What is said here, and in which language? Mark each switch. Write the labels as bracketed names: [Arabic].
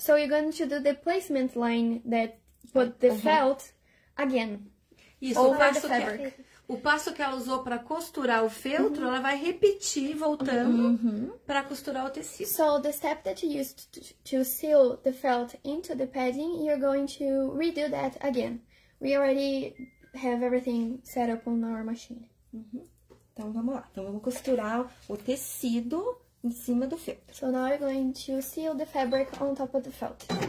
[English] So you're going to do the placement line that put the felt again. [Portuguese] Isso, o passo que ela usou para costurar o feltro, uhum, ela vai repetir voltando, uhum, para costurar o tecido. [English] So, the step that you used to seal the felt into the padding, you're going to redo that again. We already have everything set up on our machine. [Portuguese] Uhum. Então, vamos lá. Então, vamos costurar o tecido em cima do feltro. [English] So, now you're going to seal the fabric on top of the felt.